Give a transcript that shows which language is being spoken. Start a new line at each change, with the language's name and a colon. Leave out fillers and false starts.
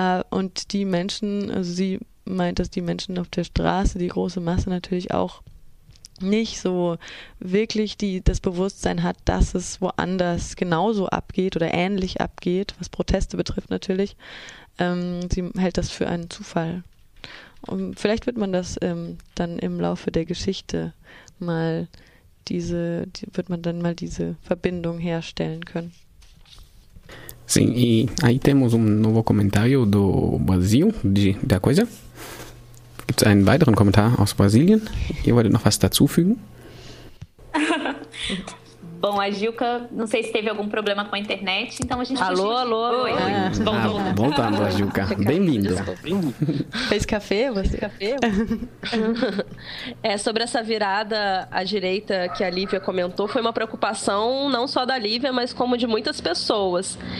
German: Und die Menschen, also sie meint, dass die Menschen auf der Straße, die große Masse natürlich auch nicht so wirklich das Bewusstsein hat, dass es woanders genauso abgeht oder ähnlich abgeht, was Proteste betrifft natürlich. Sie hält das für einen Zufall. Und vielleicht wird man das dann im Laufe der Geschichte mal diese Verbindung herstellen können.
Portuguese: Sim, e aí temos novo comentário do Brasil, da coisa.
German: Gibt es einen weiteren Kommentar aus Brasilien? Ihr wolltet noch was dazufügen?
Portuguese: Bom, a Gilka, não sei se teve algum problema com a internet, então a gente... Alô, alô. Oi. Ah, bom tamo, a Gilka. Bem-vindo. Fez café, você? É, sobre essa virada à direita que a Lívia comentou, foi uma preocupação não só da Lívia, mas como de muitas pessoas.